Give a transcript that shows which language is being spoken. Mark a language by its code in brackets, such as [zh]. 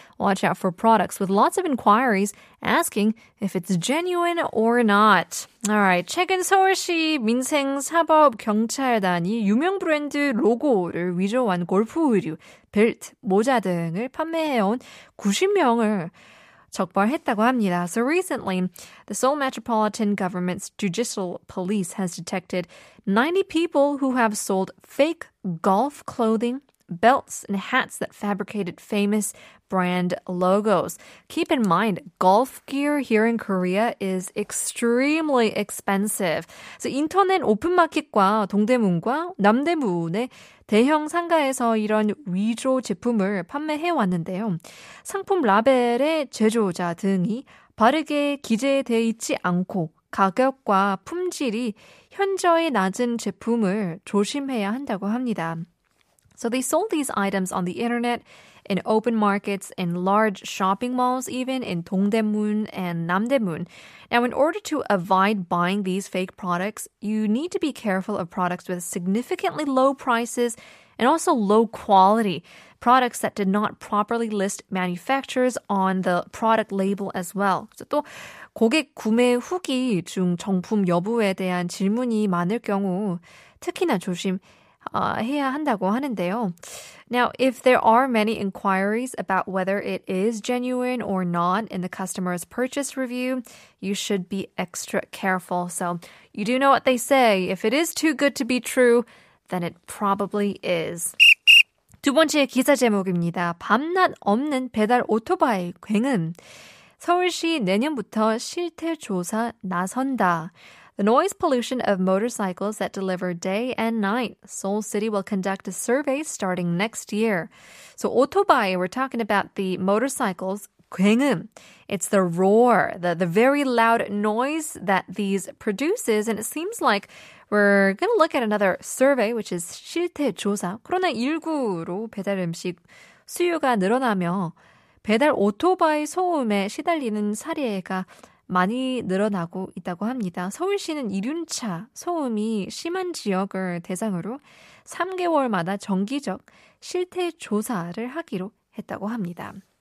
[en] Watch out for products with lots of inquiries asking if it's genuine or not. [ko] All right, 최근 서울시 민생사법경찰단이 유명 브랜드 로고를 위조한 골프 의류, 벨트, 모자 등을 판매해온 90명을 적발했다고 합니다. [en] So recently, the Seoul Metropolitan Government's Judicial Police has detected 90 people who have sold fake golf clothing, belts, and hats that fabricated famous brand logos. Keep in mind, golf gear here in Korea is extremely expensive. [ko] So 인터넷 오픈마켓과 동대문과 남대문의 대형 상가에서 이런 위조 제품을 판매해왔는데요. 상품 라벨의 제조자 등이 바르게 기재되어 있지 않고 가격과 품질이 현저히 낮은 제품을 조심해야 한다고 합니다. [en] So they sold these items on the internet, in open markets, in large shopping malls, even in Dongdaemun and Namdaemun. Now, in order to avoid buying these fake products, you need to be careful of products with significantly low prices and also low quality. Products that did not properly list manufacturers on the product label as well. [ko] 또 고객 구매 후기 중 정품 여부에 대한 질문이 많을 경우 특히나 조심 해야 한다고 하는데요. [en] Now, if there are many inquiries about whether it is genuine or not in the customer's purchase review, you should be extra careful. So, you do know what they say. If it is too good to be true, then it probably is. [ko] 두 번째 기사 제목입니다. 밤낮 없는 배달 오토바이 굉음. 서울시 내년부터 실태 조사 나선다. [en] The noise pollution of motorcycles that deliver day and night. Seoul City will conduct a survey starting next year. So, 오토바이, we're talking about the motorcycles, 굉음. It's the roar, the very loud noise that these produces. And it seems like we're going to look at another survey, which is 실태 조사. [ko] 코로나19로 배달 음식 수요가 늘어나며 배달 오토바이 소음에 시달리는 사례가 많이 늘어나고 있다고 합니다. 서울시는 이륜차 소음이 심한 지역을 대상으로 3개월마다 정기적 실태 조사를 하기로 했다고 합니다.